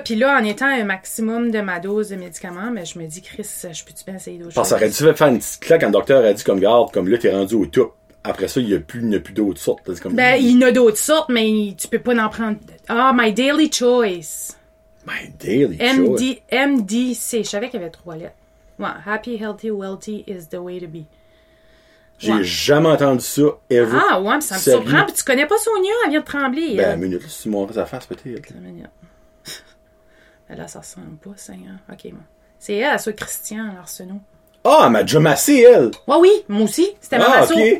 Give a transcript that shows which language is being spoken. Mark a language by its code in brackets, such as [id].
[fr] Puis là, en étant un maximum de ma dose de médicaments, mais je me dis, Chris, je peux-tu bien essayer d'autres choses? Parce que ça aurait dû faire une petite claque quand le docteur a dit, comme, garde, comme là, t'es rendu au top. Après ça, il n'y a plus d'autres sortes. Comme... ben, il y en a d'autres sortes, mais tu peux pas en prendre... [en] ah, oh, my daily choice... my daily choice. MDC. [fr] Je savais qu'il y avait trois lettres. Ouais. [en] Happy, healthy, wealthy is the way to be. [fr] J'ai jamais entendu ça, ever. Ah, ouais, mais ça me surprend. Puis tu connais pas Sonia, elle vient de trembler. Ben, une minute, si tu montres sa face, peut-être. Une minute. Mais là, ça ressemble pas, Seigneur. OK, moi. C'est elle, soit Christian, Arsenault. Ah, oh, elle m'a déjà massé, elle. Ouais, oui, moi aussi. C'était ma masseuse.